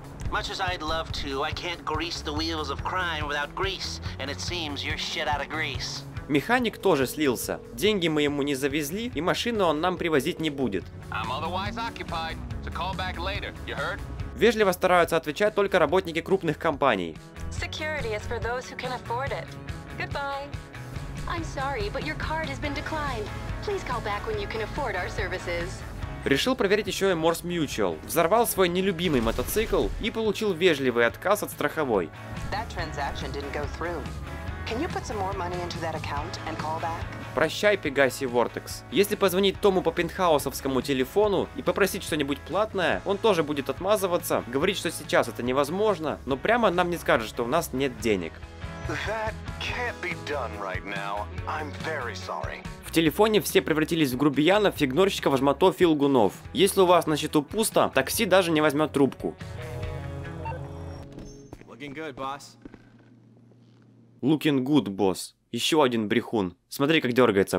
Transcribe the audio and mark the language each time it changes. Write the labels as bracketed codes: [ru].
[en] Much as I'd love to, I can't grease the wheels of crime without grease, and it seems you're shit out of grease. [ru] Механик тоже слился. Деньги мы ему не завезли, и машину он нам привозить не будет. [en] I'm otherwise occupied, so call back later, you heard? [ru] Вежливо стараются отвечать только работники крупных компаний. [en] Security is for those who can afford it. Goodbye. I'm sorry, but your card has been declined. Please call back when you can afford our services. [ru] Решил проверить еще и Morse Mutual. Взорвал свой нелюбимый мотоцикл и получил вежливый отказ от страховой. [en] That transaction didn't go through. Can you put some more money into that account and call back? [ru] Прощай, Pegasi Vortex. Если позвонить Тому по пентхаусовскому телефону и попросить что-нибудь платное, он тоже будет отмазываться, говорить, что сейчас это невозможно, но прямо нам не скажет, что у нас нет денег. [en] That can't be done right now. I'm very sorry. [ru] В телефоне все превратились в грубиянов, игнорщиков, жматов, филгунов. Если у вас на счету пусто, такси даже не возьмет трубку. [en] Looking good, boss. Looking good, boss. [ru] Еще один брехун. Смотри, как дергается.